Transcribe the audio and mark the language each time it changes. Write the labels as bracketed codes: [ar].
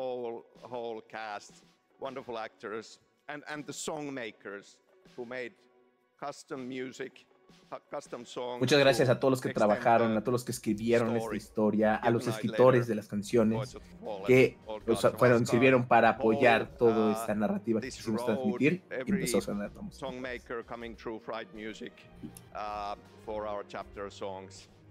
[en] Whole cast, wonderful actors, and the song makers who made custom music, custom songs. [es] Muchas gracias a todos los que trabajaron, a todos los que escribieron esta historia, a los escritores de las canciones que sirvieron para apoyar toda esta narrativa que quisimos transmitir. Empezó a sonar todo. [en] Songmaker coming through Fright Music for our chapter songs.